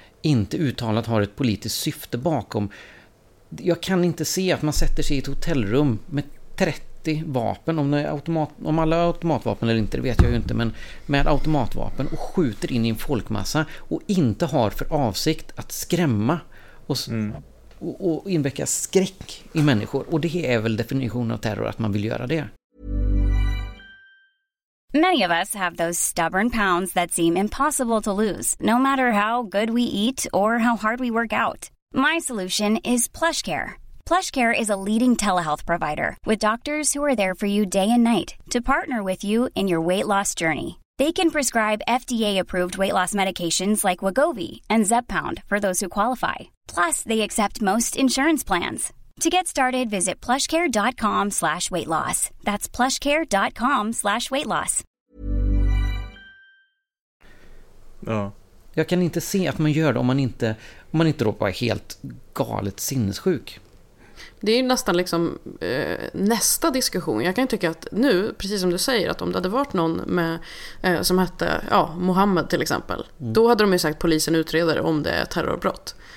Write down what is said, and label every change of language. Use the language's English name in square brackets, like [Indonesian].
[Swedish] inte uttalat har ett politiskt syfte bakom. Jag kan inte se att man sätter sig i ett hotellrum med 30 vapen, om alla automatvapen eller inte, det vet jag ju inte, men med automatvapen och skjuter in i en folkmassa och inte har för avsikt att skrämma och inväcka skräck i människor. Och det är väl definitionen av terror, att man vill göra det. [English] Many of us have those stubborn pounds that seem impossible to lose, no matter how good we eat or how hard we work out. My solution is PlushCare. PlushCare is a leading telehealth provider with doctors who are there for you day and night to partner with you in your weight loss journey. They can prescribe FDA-approved weight loss medications like Wegovy and Zepbound for those who qualify. Plus, they accept most insurance plans. To get started, visit plushcare.com/weightloss. That's plushcare.com/weightloss. [Swedish] Ja. Jag kan inte se att man gör det om man inte då bara är helt galet sinnessjuk. Det är ju nästan liksom nästa diskussion. Jag kan ju tycka att nu, precis som du säger, att om det hade varit någon med som hette Mohammed till exempel, då hade de ju sagt polisen utreder om det är terrorbrott.